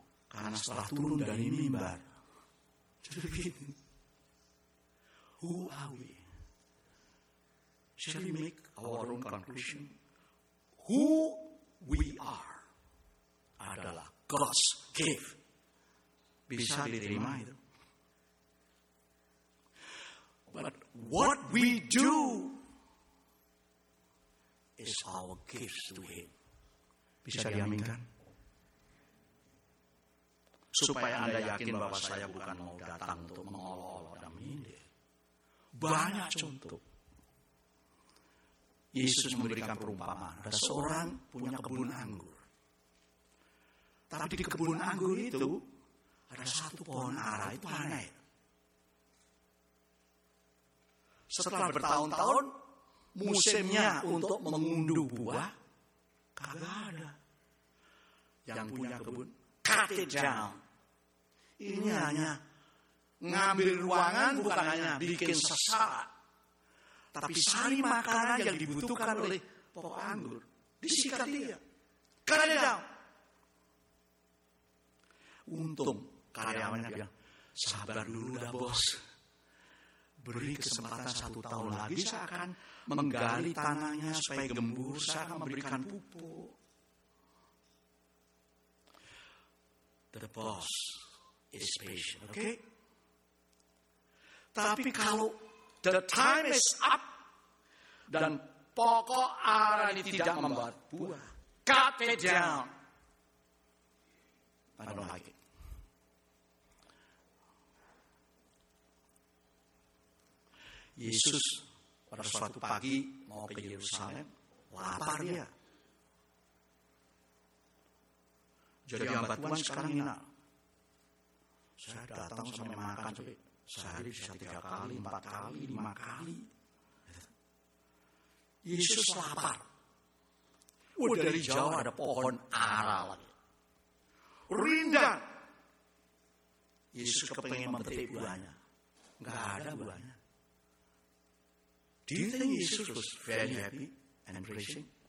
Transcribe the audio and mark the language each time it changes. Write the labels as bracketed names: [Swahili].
[Indonesian] Karena setelah turun dari mimbar, jadi begini. [English] Who are we? Shall we make our own conclusion? Who we are [Indonesian] adalah [English] God's gift. [Indonesian] Bisa diterima itu. [English] But what we do is our gifts to him. [Indonesian] Bisa diaminkan? Supaya Anda yakin bahwa saya bukan mau datang untuk mengolok-olok dan menyindir. Banyak contoh. Yesus memberikan perumpamaan. Ada seorang punya kebun anggur. Tapi di kebun anggur itu, ada satu pohon ara itu aneh. Setelah bertahun-tahun, musimnya untuk mengunduh buah kagak ada. Yang punya kebun [English] cut it down. [Indonesian] Ini hanya ngambil ruangan, bukan hanya bikin sesak, tapi sari makanan yang dibutuhkan oleh pokok anggur disikat dia. Cut it down. Untung karyawannya bilang, sabar dulu dah bos. Beri kesempatan satu tahun lagi, saya akan menggali tanahnya supaya gembur, saya akan memberikan pupuk. [English] The boss is patient, okay? [Indonesian] Tapi kalau [English] the time is up [Indonesian] dan pokok ara ini tidak membuat buah, [English] cut it down. I don't like it. [Indonesian] Yesus pada suatu pagi mau ke Yerusalem, lapar dia. Jadi hamba Tuhan sekarang ini, saya datang sampai makan sampai sehari bisa 3 kali, 4 kali, 5 kali. Yesus lapar. Udah dari jauh ada pohon ara lagi. Rindang. Yesus kepengen memetik buahnya. Enggak ada buahnya. [English] Do you think Yesus was very happy and embracing?